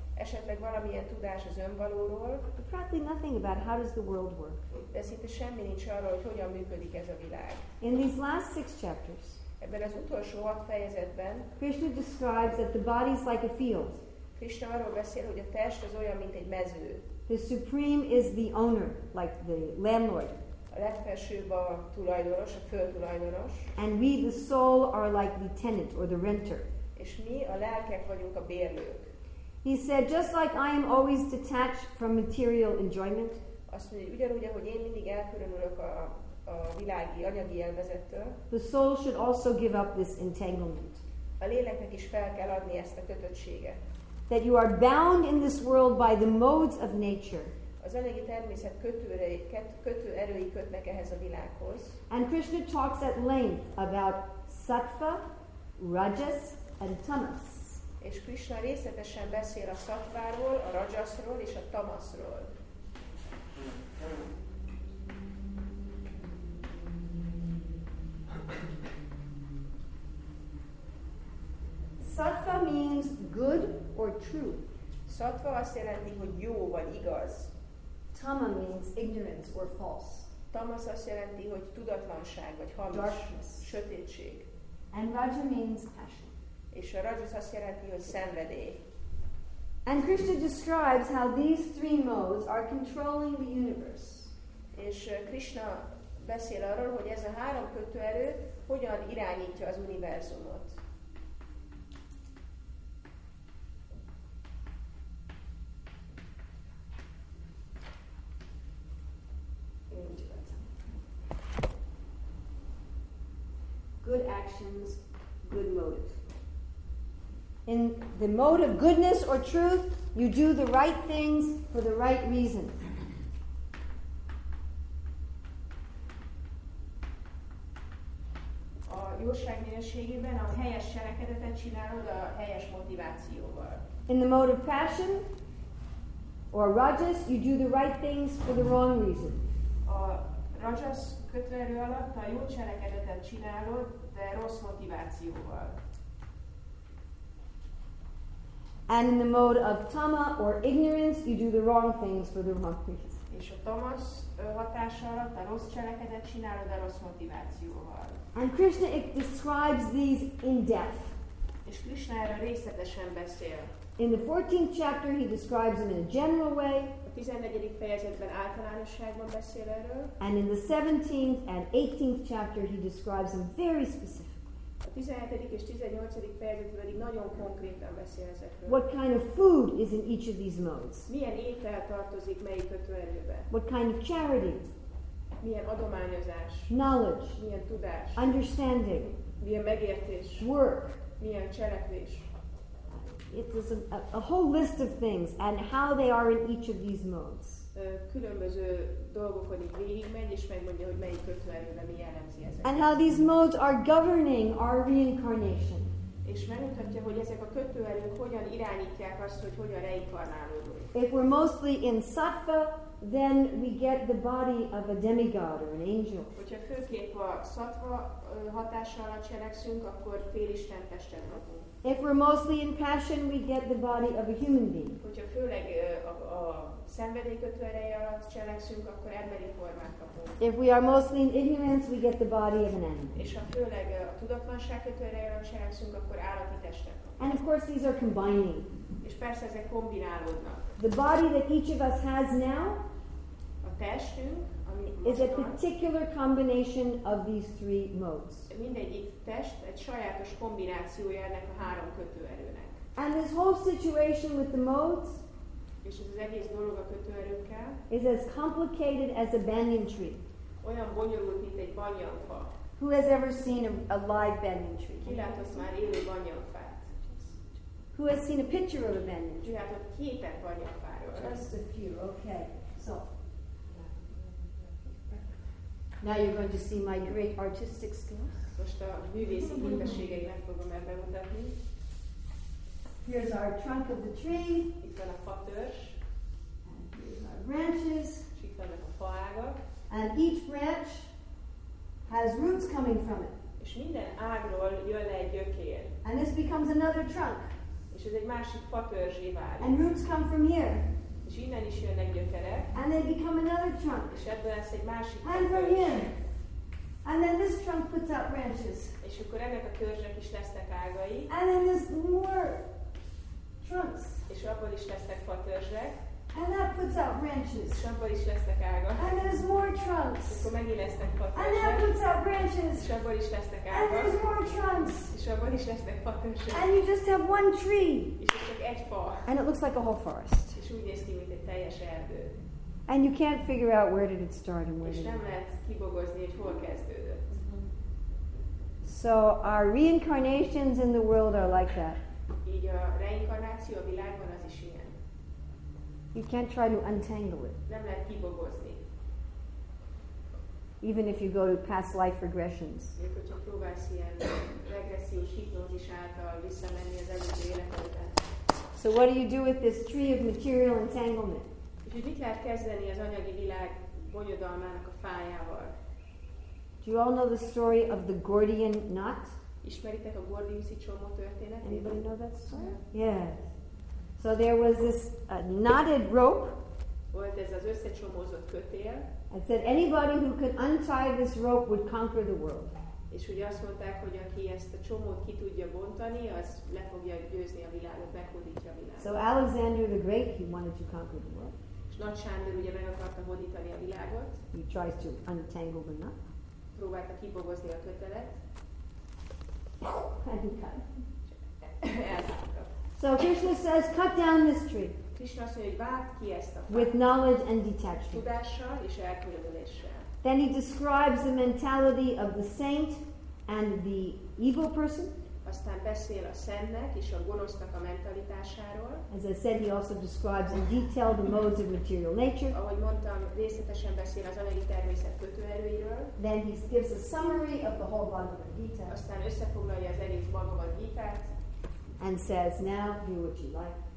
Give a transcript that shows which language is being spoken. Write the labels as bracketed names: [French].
[Hungarian] Esetleg valamilyen tudás az önvalóról. [English] But practically nothing about how does the world work. [Hungarian] De szinte semmi nincs arról, hogy hogyan működik ez a világ. [English] In these last six chapters, [Hungarian] ebben az utolsó hat fejezetben, [English] Krishna describes that the body is like a field. [Hungarian] Krishna arról beszél, hogy a test az olyan, mint egy mező. [English] The Supreme is the owner, like the landlord. [Hungarian] A legfelsőbb a tulajdonos, a föltulajdonos. [English] And we, the soul, are like the tenant or the renter. [Hungarian] És mi, a lelkek vagyunk a bérlők. [English] He said, just like I am always detached from material enjoyment, [Hungarian] azt mondja, ugyanúgy, ahogy én mindig elkülönülök a világi, anyagi élvezettől, [English] the soul should also give up this entanglement. [Hungarian] A léleknek is fel kell adni ezt a kötöttséget. [English] That you are bound in this world by the modes of nature. [Hungarian] Az anyagi természet kötő erői kötnek ehhez a világhoz. [English] And Krishna talks at length about sattva, rajas and tamas. [Hungarian] És Krishna részletesen beszél a szatváról, a rajaszról és a tamaszról. [English] Sattva means good or true. [Hungarian] Sattva azt jelenti, hogy jó vagy igaz. [English] Tama means ignorance or false. [Hungarian] Tamas azt jelenti, hogy tudatlanság vagy hamis. [English] Darkness. [Hungarian] Sötétség. [English] And raja means passion. [Hungarian] És a rajas azt jelenti, hogy szenvedély. [English] And Krishna describes how these three modes are controlling the universe. [Hungarian] És Krishna beszél arról, hogy ez a három kötőerő hogyan irányítja az univerzumot. [English] Good actions, good motive. In the mode of goodness or truth, you do the right things for the right reason. [Hungarian] A jóság minőségében a helyes cselekedetet csinálod a helyes motivációval. [English] In the mode of passion or rajas, you do the right things for the wrong reason. [Hungarian] A rajas kötőerő alatt a jó cselekedetet csinálod, de rossz motivációval. [English] And in the mode of tama or ignorance, you do the wrong things for the wrong reasons. [Hungarian] És a tamas hatása alatt a rossz cselekedet csinálod a rossz motivációval. [English] And Krishna describes these in depth. [Hungarian] És Krishna erről részletesen beszél. [English] In the 14th chapter, he describes them in a general way. [Hungarian] A 14. fejezetben általánosságban beszél erről. [English] And in the 17th and 18th chapter, he describes them very specifically. [Hungarian] A 17. és 18. fejezetben pedig nagyon konkrétan beszél ezekről. [English] What kind of food is in each of these modes? [Hungarian] Milyen étel tartozik melyik kötőerőbe? [English] What kind of charity? [Hungarian] Milyen adományozás? [English] Knowledge. [Hungarian] Milyen tudás? [English] Understanding. [Hungarian] Milyen megértés? [English] Work. [Hungarian] Milyen cselekvés? [English] It is a whole list of things and how they are in each of these modes. [Hungarian] Különböző dolgokon így végigmegy, és megmondja, hogy melyik kötőerőre mi jellemzi ezeket. [English] And how these modes are governing our reincarnation. [Hungarian] És megmutatja, hogy ezek a kötőerők hogyan irányítják azt, hogy hogyan reinkarnálódunk. [English] If we're mostly in sattva, then we get the body of a demigod or an angel. [Hungarian] Hogyha főképp a szatva hatása alatt cselekszünk, akkor félisten testet kapunk. [English] If we're mostly in passion, we get the body of a human being. [Hungarian] Hogyha főleg a szenvedélykötő ereje alatt cselekszünk, akkor emberi formát kapunk. [English] If we are mostly in ignorance, we get the body of an animal. [Hungarian] És ha főleg a tudatlanság kötő ereje alatt cselekszünk, akkor állati testet kapunk. [English] And of course these are combining. [Hungarian] És persze ezek kombinálódnak. [English] The body that each of us has now [Hungarian] a testünk, [English] is a particular combination of these three modes. [Hungarian] Mindegyik test egy sajátos kombinációja ennek a három kötőerőnek. [English] And this whole situation with the modes [Hungarian] és ez az egész dolog a kötőerőkkel [English] is as complicated as a banyan tree. [Hungarian] Olyan bonyolult, mint egy banyanfa. [English] Who has ever seen a live banyan tree? [Hungarian] Ki látott már élő banyanfát? [English] Who has seen a picture of a banyan tree? You have a keep at banyan fire. Just a few, okay. So, now you're going to see my great artistic skills. [Hungarian] Most a művészi képességeimet fogom bemutatni. [English] Here's our trunk of the tree. [Hungarian] Itt van a fa törzs. [English] Here's our branches. [Hungarian] És itt vannak a faágak. [English] And each branch has roots coming from it. [Hungarian] És minden ágról jön le egy gyökér. [English] And this becomes another trunk. [Hungarian] És ez egy másik fatörzsé válik. [English] And roots come from here. [Hungarian] És innen is jönnek gyökerek. [English] And they become another trunk. [Hungarian] És ebből lesz egy másik fatörzs. [English] And from here. And then this trunk puts out branches. [Hungarian] És akkor ennek a törzsnek is lesznek ágai. [English] And then there's more trunks. [Hungarian] És abból is lesznek fatörzsek. [English] And that puts out branches. [Hungarian] És abból is lesznek ágak. [English] And there's more trunks. [Hungarian] És akkor megint lesznek fatörzsek. [English] And that puts out branches. [Hungarian] És abból is lesznek ágak. [English] And there's more trunks. [Hungarian] És abból is lesznek fatörzsek. [English] And you just have one tree. [Hungarian] És csak egy fa. [English] And it looks like a whole forest. [Hungarian] És úgy néz ki, mint egy teljes erdő. [English] And you can't figure out where did it start and where did it end. [Hungarian] És nem lehet kibogozni, hogy hol kezdődött. [English] So our reincarnations in the world are like that. [Hungarian] Így a reinkarnáció a világban az is ilyen. [English] You can't try to untangle it. [Hungarian] Nem lehet kibogozni. [English] Even if you go to past life regressions. [Hungarian] Még hogyha próbálsz ilyen regressziós hipnózis által visszamenni az előző életedbe. [English] So what do you do with this tree of material entanglement? [Hungarian] És hogy mit lehet kezdeni az anyagi világ bonyodalmának a fájával? [English] Do you all know the story of the Gordian knot? [Hungarian] Ismeritek a gordiuszi csomó történetét? [English] Anybody know that story? Yeah. So there was this knotted rope. [Hungarian] Volt ez az összecsomózott kötél. [English] And said anybody who could untie this rope would conquer the world. [Hungarian] És ugye azt mondták, hogy aki ezt a csomót ki tudja bontani, az le fogja győzni a világot, meghódítja a világot. [English] So Alexander the Great, he wanted to conquer the world. [Hungarian] És Nagy Sándor ugye meg akarta hódítani a világot. [English] He tries to untangle the knot. [Hungarian] Próbálta kibogozni a kötelet. [English] And he cut. So Krishna says, cut down this tree. [Hungarian] Krishna azt mondja, hogy vágd ki ezt a fát. [English] With knowledge and detachment. [Hungarian] Tudással és elkülöneléssel. [English] Then he describes the mentality of the saint and the evil person. [Hungarian] aztán beszél a szennek és a gonosznak a mentalitásáról. [English] As I said, he also describes in detail the modes of material nature. [Hungarian] Ahogy mondtam, részletesen beszél az anyagi természet kötőerőiről. [English] Then he gives a summary of the whole Bhagavad Gita. [Hungarian] Aztán összefoglalja az egész Bhagavad Gita-t. [English] And says, now do what you like.